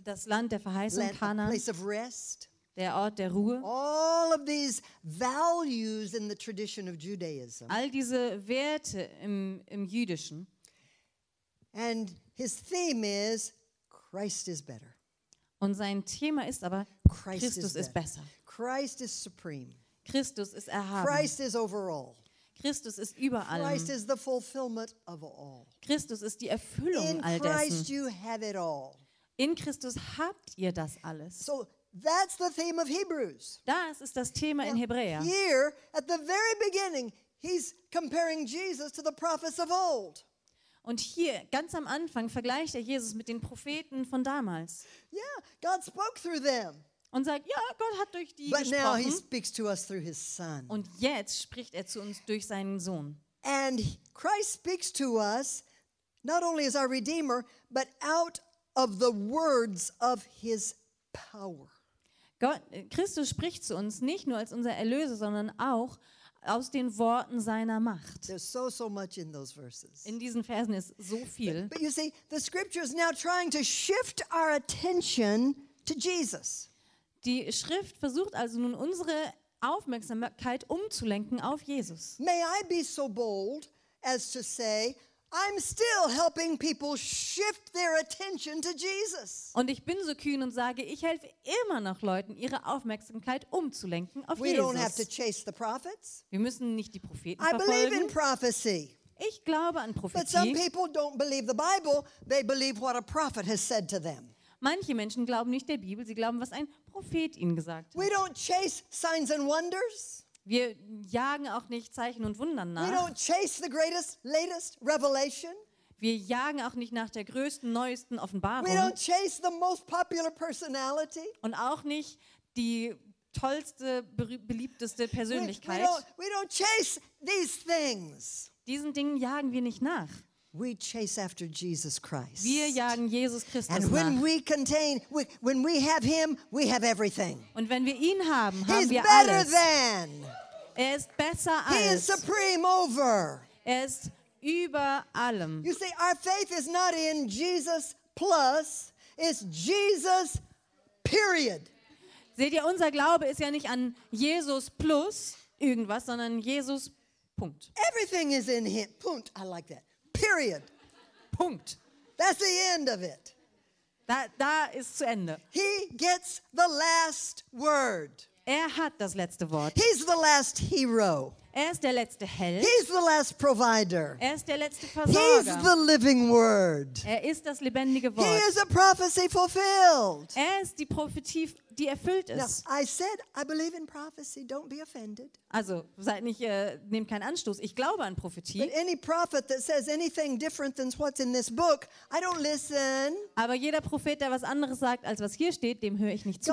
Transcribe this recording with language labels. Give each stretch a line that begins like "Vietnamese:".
German: das Land der Verheißung, Kanaan,
English: place of rest,
German: der Ort der Ruhe.
English: All of these values in the tradition of Judaism.
German: All diese Werte im Jüdischen.
English: And his theme is Christ is better.
German: Und sein Thema ist aber Christus ist besser.
English: Christ is supreme.
German: Christus ist erhaben.
English: Christ is over all.
German: Christus ist über allem.
English: Christ is the fulfillment of all.
German: Christus ist die Erfüllung
English: in all Christ
German: dessen.
English: You have it all.
German: In Christus habt ihr das alles.
English: So that's the theme of Hebrews.
German: Das ist das Thema in Hebräer.
English: Here, at the very beginning, he's comparing Jesus to the prophets of old.
German: Und hier, ganz am Anfang, vergleicht Jesus mit den Propheten von damals.
English: Yeah, God spoke through them.
German: Und sagt, ja, Gott hat durch die gesprochen.
English: But now he speaks to us through his Son.
German: Und jetzt spricht zu uns durch seinen Sohn.
English: And Christ speaks to us, not only as our Redeemer, but out of the words of his power.
German: Christus spricht zu uns nicht nur als unser Erlöser, sondern auch aus den Worten seiner Macht.
English: There's so, so much in those verses.
German: In diesen Versen ist so viel.
English: But you see, the scripture is now trying to shift our attention to Jesus.
German: Die Schrift versucht also nun unsere Aufmerksamkeit umzulenken auf Jesus.
English: May I be so bold as to say, I'm still helping people shift their attention to Jesus.
German: Und ich bin so kühn und sage, ich helfe immer noch Leuten, ihre Aufmerksamkeit umzulenken auf
English: We
German: Jesus.
English: We don't have to chase the prophets.
German: Wir müssen nicht die Propheten
English: I
German: verfolgen.
English: Believe in prophecy.
German: Ich glaube an Prophetie.
English: But some people don't believe the Bible, they believe what a prophet has said to them.
German: Manche Menschen glauben nicht der Bibel, sie glauben, was ein Prophet ihnen gesagt hat.
English: We don't chase signs and wonders.
German: Wir jagen auch nicht Zeichen und Wundern nach.
English: We don't chase the greatest, latest revelation.
German: Wir jagen auch nicht nach der größten, neuesten Offenbarung.
English: We don't chase the most popular personality.
German: Und auch nicht die tollste, beliebteste Persönlichkeit.
English: We don't chase these things.
German: Diesen Dingen jagen wir nicht nach.
English: We chase after Jesus Christ.
German: Wir jagen Jesus Christus
English: and when
German: nach.
English: We contain, when we have him, we have everything.
German: Und wenn wir ihn haben, haben
English: He's
German: wir
English: better
German: alles.
English: Than.
German: Er ist besser als.
English: He is supreme over.
German: Er ist über allem.
English: You see, our faith is not in Jesus plus, it's Jesus period.
German: Seht ihr, unser Glaube ist ja nicht an Jesus plus irgendwas, sondern Jesus Punkt.
English: Everything is in him. Punkt. I like that. Period.
German: Punkt.
English: That's the end of it.
German: Da ist zu Ende.
English: He gets the last word.
German: Hat das letzte Wort.
English: He's the last hero.
German: Ist der letzte Held.
English: He's the last provider.
German: Ist der letzte Versorger.
English: He's the living word.
German: Ist das lebendige Wort.
English: He is a prophecy fulfilled.
German: Ist die Prophetie, die erfüllt ist.
English: Now, I said I believe in prophecy. Don't be offended.
German: Also, seid nicht nehmt keinen Anstoß. Ich glaube an Prophetie.
English: But any prophet that says anything different than what's in this book, I don't listen.
German: Aber jeder Prophet, der was anderes sagt, als was hier steht, dem höre ich nicht zu.